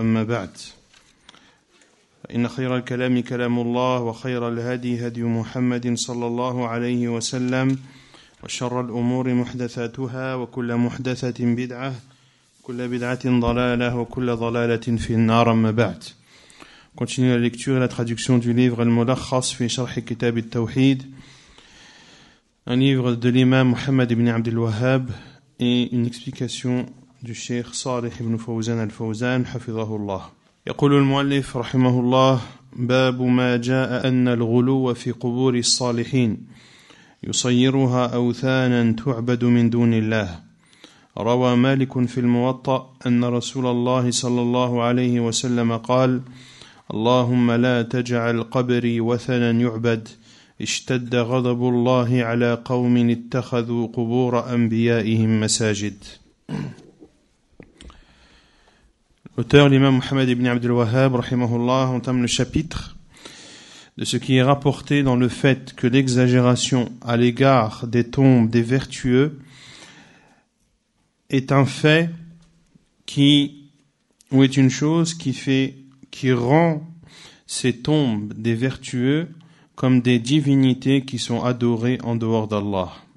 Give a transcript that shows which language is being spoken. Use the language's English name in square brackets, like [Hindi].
[Arabic] أما بعد، فإن خير الكلام كلام الله، وخير الهدي هدي محمد صلى الله عليه وسلم، وشر الأمور محدثاتها، وكل محدثة بدعة، كل بدعة ضلالة، وكل ضلالة في النار. أما بعد، [French] continue la lecture et la traduction du livre الملخص في شرح كتاب التوحيد، un livre de l'imam Muhammad ibn Abd al-Wahhab et une explication du Sheikh Salih ibn Fawzan al-Fawzan حفظه الله. [Arabic] يقول المؤلف رحمه الله: باب ما جاء أن الغلو في قبور الصالحين يصيرها أوثانا تعبد من دون الله. روى مالك في الموطأ أن رسول الله صلى الله عليه وسلم قال: اللهم لا تجعل قبري وثنا يعبد، اشتد غضب الله على قوم اتخذوا قبور أنبيائهم مساجد. [French] Auteur, l'imam Mohamed ibn Abd al-Wahhab, rahimahullah, entame le chapitre de ce qui est rapporté dans le fait que l'exagération à l'égard des tombes des vertueux est un fait qui, ou est une chose qui fait, qui rend ces tombes des vertueux comme des divinités qui sont adorées en dehors d'Allah.